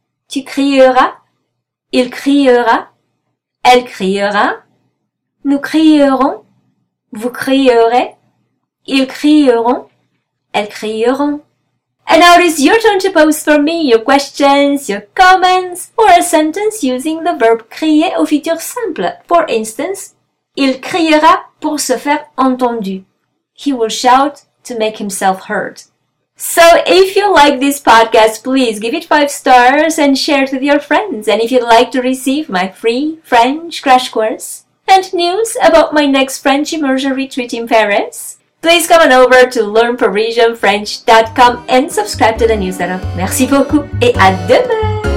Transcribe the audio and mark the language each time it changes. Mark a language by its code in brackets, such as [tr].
[fr] Tu crieras, il criera, elle criera, nous crierons, vous crierez, ils crieront, elles crieront. [en] And now it is your turn to pose for me your questions, your comments, or a sentence using the verb [fr] crier au futur simple. [en] For instance, [fr] il criera pour se faire entendu. [en] He will shout to make himself heard. So if you like this podcast, please give it 5 stars and share it with your friends. And if you'd like to receive my free French crash course and news about my next French immersion retreat in Paris, please come on over to learnparisianfrench.com and subscribe to the newsletter. [fr] Merci beaucoup et à demain!